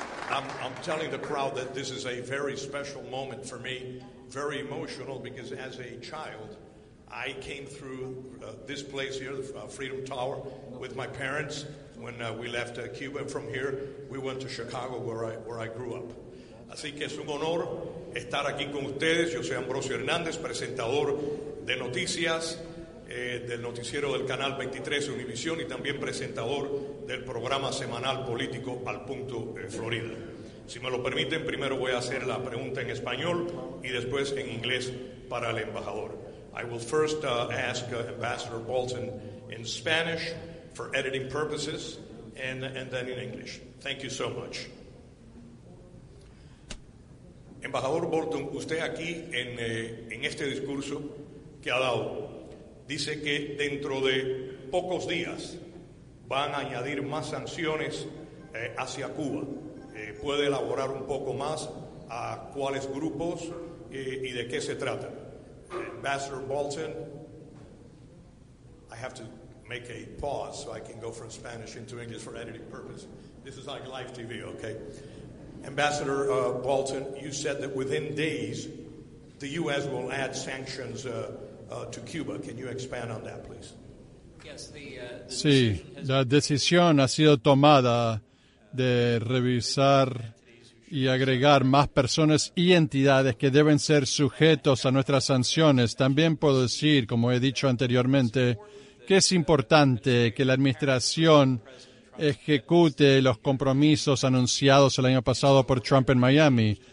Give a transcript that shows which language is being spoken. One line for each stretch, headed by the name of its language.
English: I'm telling the crowd that this is a very special moment for me, very emotional because as a child I came through this place here, the Freedom Tower, with my parents when we left Cuba. From here, we went to Chicago, where I grew up.
Spanish: Así que es un honor estar aquí con ustedes. Yo soy Ambrosio Hernández, presentador de noticias del noticiero del Canal 23 Univision y también presentador del programa semanal político Al Punto Florida. Si me lo permiten, primero voy a hacer la pregunta en español y después en inglés para el embajador.
English: I will first ask Ambassador Bolton in Spanish for editing purposes and then in English. Thank you so much.
Spanish: Embajador Bolton, usted aquí en este discurso que ha dado, dice que dentro de pocos días van a añadir más sanciones hacia Cuba. ¿Puede elaborar un poco más a cuáles grupos y de qué se trata?
English: Ambassador Bolton, I have to make a pause so I can go from Spanish into English for editing purpose. This is like live TV, okay? Ambassador Bolton, you said that within days, the U.S. will add sanctions to Cuba. Can you expand on that, please? Yes,
Spanish: sí, la decisión ha sido tomada de revisar y agregar más personas y entidades que deben ser sujetos a nuestras sanciones. También puedo decir, como he dicho anteriormente, que es importante que la administración ejecute los compromisos anunciados el año pasado por Trump en Miami.